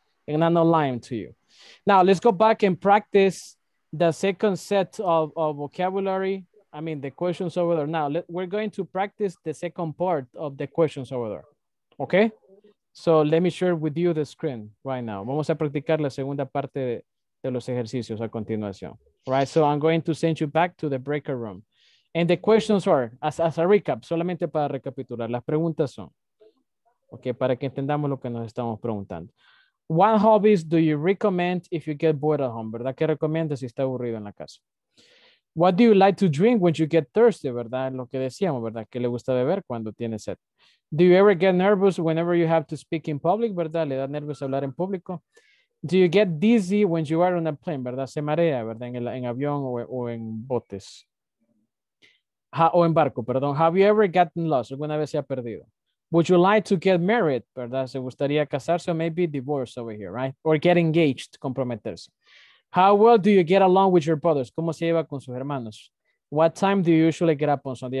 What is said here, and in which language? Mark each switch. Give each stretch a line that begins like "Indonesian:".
English: And I'm not lying to you. Now, let's go back and practice the second set of vocabulary. I mean, the questions over there. Now, we're going to practice the second part of the questions over there, okay? So let me share with you the screen right now.
Spanish: Vamos a practicar la segunda parte de los ejercicios a continuación, right?
English: So I'm going to send you back to the breaker room. And the questions are, as a recap,
Spanish: solamente para recapitular, las preguntas son, okay, para que entendamos lo que nos estamos preguntando.
English: What hobbies do you recommend if you get bored at home, ¿verdad?
Spanish: ¿Qué recomiendas si está aburrido en la casa?
English: What do you like to drink when you get thirsty, verdad?
Spanish: Lo que decíamos, verdad? ¿Qué le gusta beber cuando tiene sed?
English: Do you ever get nervous whenever you have to speak in public, verdad?
Spanish: ¿Le da nervios hablar en público?
English: Do you get dizzy when you are on a plane, verdad?
Spanish: ¿Se marea, verdad? En avión o en botes. O en barco, perdón.
English: Have you ever gotten lost?
Spanish: ¿Alguna vez se ha perdido?
English: Would you like to get married, verdad?
Spanish: ¿Se gustaría casarse o
English: maybe divorce over here, right? Or get engaged, comprometerse. How well do you get along with your brothers?
Spanish: ¿Cómo se lleva con sus hermanos?
English: What time do you usually get up on Sunday?